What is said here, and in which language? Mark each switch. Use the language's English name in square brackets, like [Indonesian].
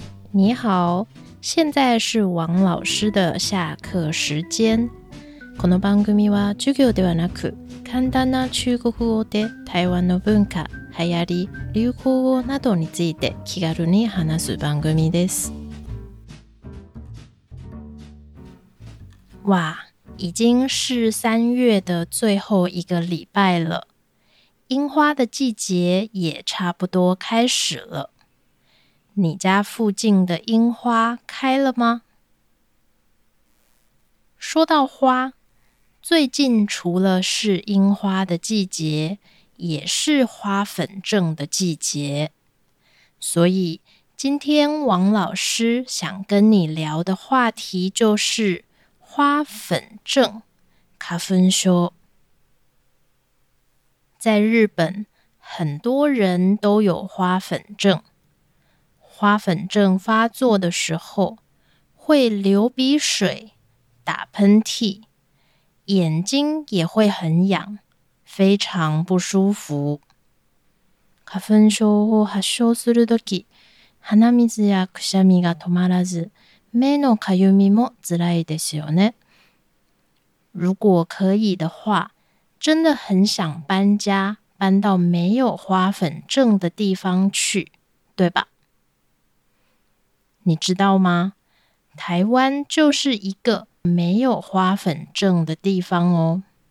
[Chinese] 你好，现在是王老师的下课时间。 [Japanese] この番組は授業ではなく、簡単な中国語で台湾の文化、流行り、流行語などについて気軽に話す番組です。 [Chinese] 哇，已经是三月的最后一个礼拜了，樱花的季节也差不多开始了。你家附近的樱花开了吗？说到花，最近除了是樱花的季节，也是花粉症的季节。所以，今天王老师想跟你聊的话题就是花粉症。花粉症。在日本，很多人都有花粉症。花粉症发作的时候，会流鼻水、打喷嚏，眼睛也会很痒，非常不舒服。 [Japanese] 花粉症を発症するとき、鼻水やくしゃみが止まらず、目のかゆみもつらいですよね。 [Chinese] 如果可以的话，真的很想搬家，搬到没有花粉症的地方去，对吧？你知道吗？台湾就是一个没有花粉症的地方哦。